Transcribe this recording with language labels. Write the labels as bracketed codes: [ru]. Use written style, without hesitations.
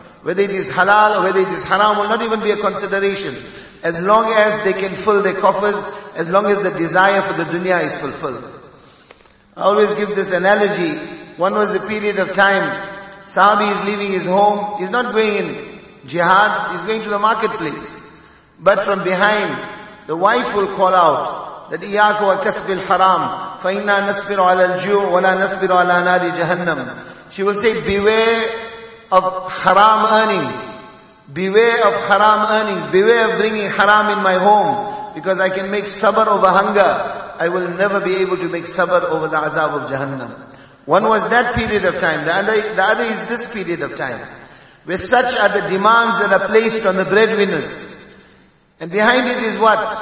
[en] Whether it is halal or whether it is haram will not even be a consideration. As long as they can fill their coffers, as long as the desire for the dunya is fulfilled. I always give this analogy. One was a period of time, sahabi is leaving his home, he's not going in jihad, he's going to the marketplace. But from behind, the wife will call out, that [ar] إِيَّاكَ وَكَسْبِ الْحَرَامِ فَإِنَّا نَسْبِرُ عَلَى الْجُوعِ وَلَا نَسْبِرُ عَلَى نَارِ جَهَنَّمِ. [en] She will say, beware of haram earnings, beware of bringing haram in my home, because I can make sabr over hunger, I will never be able to make sabr over the azab of Jahannam. One was that period of time. The other is this period of time. Where such are the demands that are placed on the breadwinners. And behind it is what?